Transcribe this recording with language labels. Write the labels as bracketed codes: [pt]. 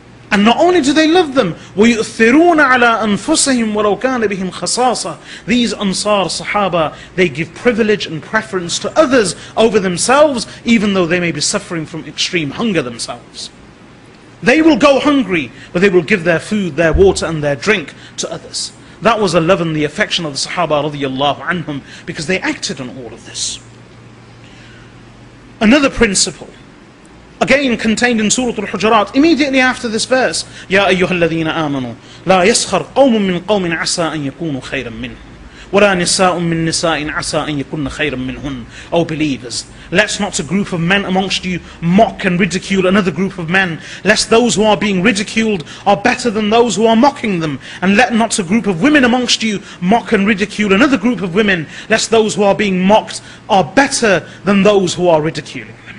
[en] And not only do they love them, [ar] وَيُؤْثِرُونَ عَلَىٰ أَنفُسَهِمْ وَلَوْ كَانَ بِهِمْ خَصَاصَةً, [en] these Ansar Sahaba, they give privilege and preference to others over themselves, even though they may be suffering from extreme hunger themselves. They will go hungry, but they will give their food, their water and their drink to others. That was the love and the affection of the Sahaba radiallahu anhum, because they acted on all of this. Another principle, again contained in Surah al Hujurat, immediately after this verse, [ar] يَا أَيُّهَا الَّذِينَ آمَنُوا لَا يَسْخَرْ قَوْمٌ مِّن قَوْمٍ عَسَىٰ أَن يَكُونُوا خَيْرًا مِّنْهُمْ وَلَا نِسَاءٌ مِّن نِسَاءٍ عَسَىٰ أَن يَكُنَّ خَيْرًا مِّنْهُمْ. [en] O believers, let's not a group of men amongst you mock and ridicule another group of men, lest those who are being ridiculed are better than those who are mocking them. And let not a group of women amongst you mock and ridicule another group of women, lest those who are being mocked are better than those who are ridiculing.